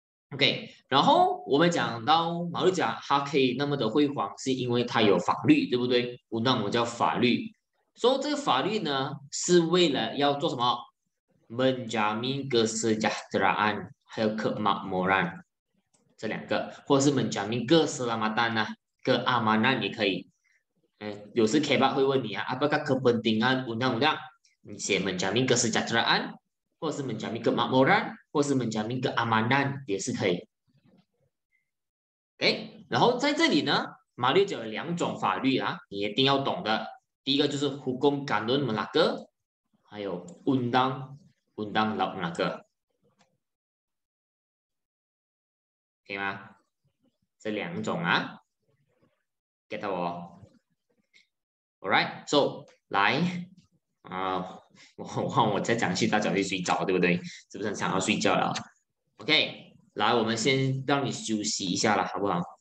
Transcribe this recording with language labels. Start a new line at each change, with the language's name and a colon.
Chinese: OK，然后我们讲到马六甲，它可以那么的辉煌，是因为它有法律，对不对？文章我们叫法律，所以这个法律呢，是为了要做什么？ menjamin kesejahteraan 还有 kemakmuran 这两个，或者是 menjamin keselamatan 啊，keamanan 也可以。有时 Kebab 会问你啊，
Malay: apakah kepentingan undang-undang？
Chinese: 你写 menjamin kesejahteraan，或是 menjamin kemakmuran，或是 menjamin keamanan 也是可以。 OK，然后在这里呢，马六甲有两种法律啊，你一定要懂的。第一个就是 Hukum Kanun Melaka，还有 Undang Law Melaka，可以吗？这两种啊，get 到哦？
English: Alright，so
Chinese: 来啊，我再讲去，大家去睡着，对不对？是不是想要睡觉了？OK，来，我们先让你休息一下了，好不好？